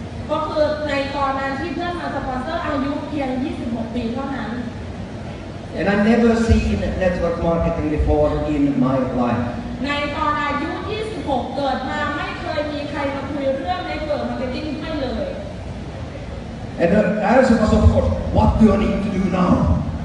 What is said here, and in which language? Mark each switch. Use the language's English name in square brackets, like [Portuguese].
[Thai] ก็คือในตอนนั้นที่เพื่อนมาสปอนเซอร์อายุเพียง26ปีเท่านั้น [English] And I've never seen network marketing before in my life. [Thai] ในตอนอายุ26เกิดมาไม่เคยมีใครมาคุยเรื่องเน็ตเวิร์กมาร์เก็ตติ้งไ [English] And the answer was, of course, what do you need to do now?